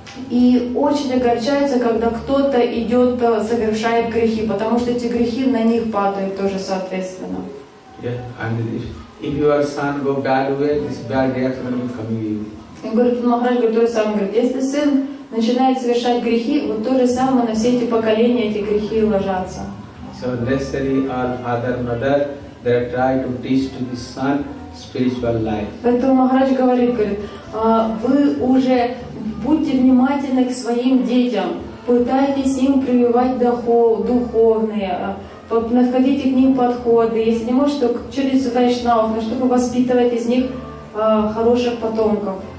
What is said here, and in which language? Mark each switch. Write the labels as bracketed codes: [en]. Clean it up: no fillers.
[ru] И очень огорчаются, когда кто-то идет, совершает грехи, потому что эти грехи на них падают тоже соответственно. Махарадж говорит, если сын начинает совершать грехи, вот то же самое на все эти поколения эти грехи ложатся. [en] So, necessary all father, mother, they try to teach to the son spiritual life. [ru] Поэтому Махарадж говорит, вы уже будьте внимательны к своим детям, пытайтесь им прививать духовные, находите к ним подходы, если не можете, то через вайшнав, но чтобы воспитывать из них хороших потомков.